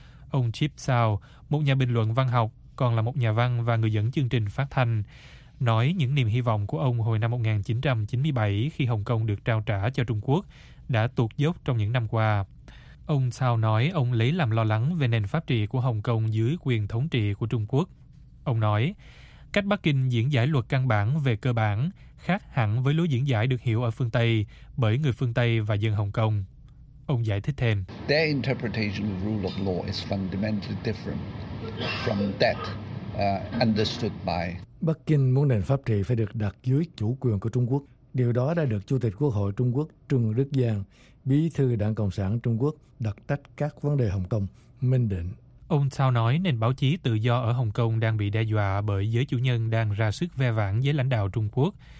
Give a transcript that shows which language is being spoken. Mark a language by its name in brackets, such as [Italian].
[Vietnamese] Ông Chip Sao, một nhà bình luận văn học, còn là một nhà văn và người dẫn chương trình phát thanh, nói những niềm hy vọng của ông hồi năm 1997 khi Hồng Kông được trao trả cho Trung Quốc đã tuột dốc trong những năm qua. Ông Sao nói ông lấy làm lo lắng về nền pháp trị của Hồng Kông dưới quyền thống trị của Trung Quốc. Ông nói, cách Bắc Kinh diễn giải luật căn bản về cơ bản khác hẳn với lối diễn giải được hiểu ở phương Tây bởi người phương Tây và dân Hồng Kông. Ông giải thích thêm. [English] Their interpretation of rule of law is fundamentally different from that understood by... [Vietnamese] Bắc Kinh muốn nền pháp trị phải được đặt dưới chủ quyền của Trung Quốc. Điều đó đã được Chủ tịch Quốc hội Trung Quốc Trương Đức Giang Bí thư Đảng Cộng sản Trung Quốc đặc trách các vấn đề Hồng Kông, Minh Định. Ông Tao nói nền báo chí tự do ở Hồng Kông đang bị đe dọa bởi giới chủ nhân đang ra sức ve vãn với lãnh đạo Trung Quốc.